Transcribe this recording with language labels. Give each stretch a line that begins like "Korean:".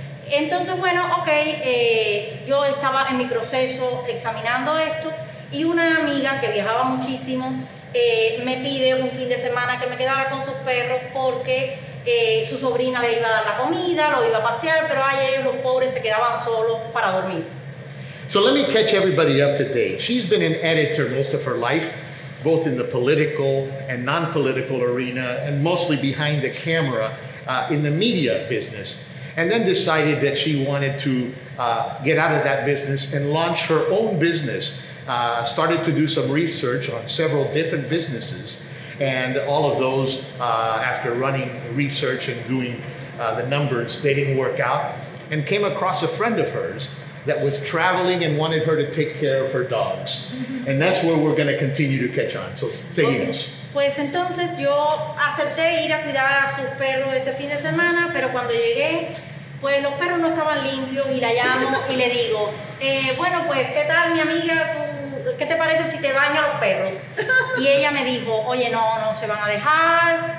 Spanish: Entonces, bueno, ok, yo estaba en mi proceso examinando esto y una amiga que viajaba muchísimo me pide un fin de semana que me quedara con sus perros porque su sobrina le iba a dar la comida, lo iba a pasear, pero ahí ellos, los pobres, se quedaban solos para dormir.
English: So let me catch everybody up to date. She's been an editor most of her life, both in the political and non-political arena and mostly behind the camera in the media business. And then decided that she wanted to get out of that business and launch her own business. Started to do some research on several different businesses. And all of those, after running research and doing the numbers, they didn't work out. And came across a friend of hers that was traveling and wanted her to take care of her dogs. And that's where we're going to continue to catch on.
Spanish: So, seguimos. Pues entonces yo acepté ir a cuidar a sus perros ese fin de semana, pero cuando llegué, pues los perros no estaban limpios y la llamo y le digo, bueno, pues, ¿qué tal, mi amiga? ¿Qué te parece si te baño a los perros? Y ella me dijo, oye, no se van a dejar.